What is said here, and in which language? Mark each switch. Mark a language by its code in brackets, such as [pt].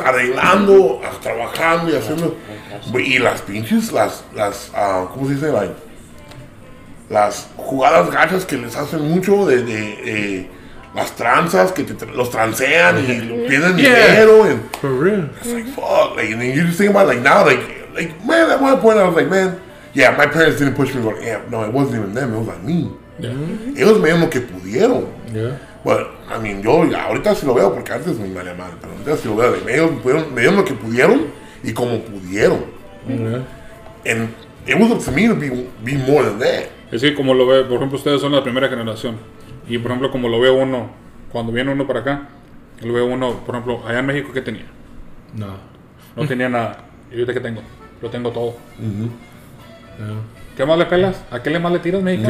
[es] Arreglando, trabajando y haciendo, y las pinches, ¿cómo se dice? Las jugadas gachas que les hacen mucho de las tranzas, que los transean, y lo pierden dinero. [en] And for real. It's like, fuck. And then you just think about now, man, at one point I was like, man, yeah, my parents didn't push me. Like, yeah, no, it wasn't even them. It was like me. Yeah. [es] Ellos me dieron lo que pudieron. [en] Yeah. [es] But, I mean, yo ahorita sí lo veo, porque antes me valía mal. Pero ahorita sí lo veo. Me dieron lo que pudieron y como pudieron. [en] Yeah. And it was up to me to be more than that. [es] Es que como lo ve, por ejemplo, ustedes son la primera generación. Y por ejemplo, como lo veo uno, cuando viene uno para acá, lo veo uno, por ejemplo, allá en México, ¿qué tenía? Nada. No tenía nada. ¿Y ahorita qué tengo? Lo tengo todo. Uh-huh. Yeah. ¿Qué más le pelas? ¿A qué le más le tiras, México?